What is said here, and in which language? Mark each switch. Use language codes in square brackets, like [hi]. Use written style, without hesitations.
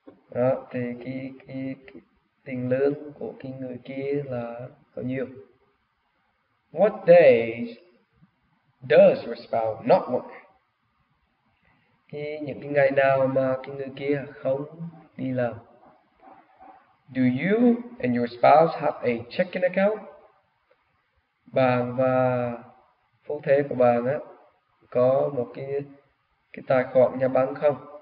[vi] Đó, thì cái tiền lương của cái người kia là bao nhiêu? [en] What days does your spouse not work? [vi] Cái những cái ngày nào mà cái người kia không đi làm? [en] Do you and your spouse have a checking account? [vi] Bạn và phu thê của bạn á có một cái tài khoản nhà băng không?